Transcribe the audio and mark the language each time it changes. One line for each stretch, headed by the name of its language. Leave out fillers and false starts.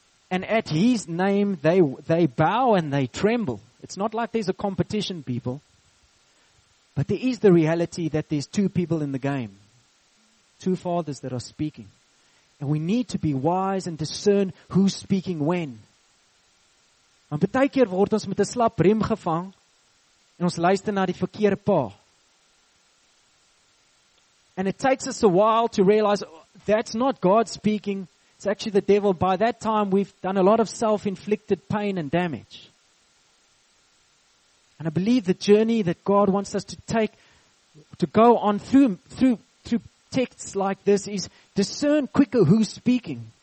English: And at his name, they bow and they tremble. It's not like there's a competition, people. But there is the reality that there's two people in the game. Two fathers that are speaking. And we need to be wise and discern who's speaking when.
Afrikaans: Want baie keer word ons met 'n slap rem gevang en ons luister na die verkeerde pa.
English: And it takes us a while to realize that's not God speaking, it's actually the devil. By that time we've done a lot of self-inflicted pain and damage. And I believe the journey that God wants us to take, to go on through texts like this is discern quicker who's speaking.